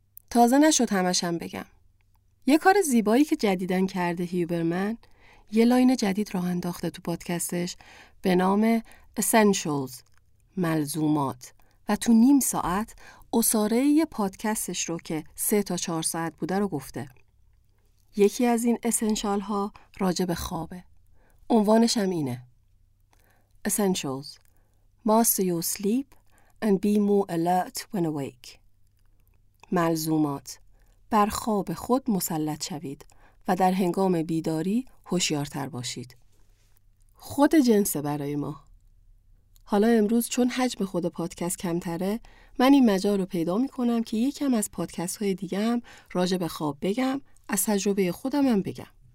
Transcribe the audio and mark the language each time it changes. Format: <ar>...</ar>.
<fa>تازه نشد همشم بگم. یه کار زیبایی که جدیدن کرده هیوبرمن، یه لاین جدید راه انداخته تو پادکستش به نام Essentials، ملزومات، و تو نیم ساعت اساره یه پادکستش رو که 3-4 ساعت بوده رو گفته. یکی از این اسنشال ها راجع به خوابه. عنوانش هم اینه:</fa> <en>Essentials Master your sleep and be more alert when awake.</en> <fa>ملزومات: بر خواب خود مسلط شوید و در هنگام بیداری هوشیارتر باشید. خود جنس برای ما. حالا امروز چون حجم خود پادکست کمتره، من این مجال رو پیدا می‌کنم که یکم از پادکست‌های دیگه هم راجع به خواب بگم، از تجربه خودم هم بگم.</fa>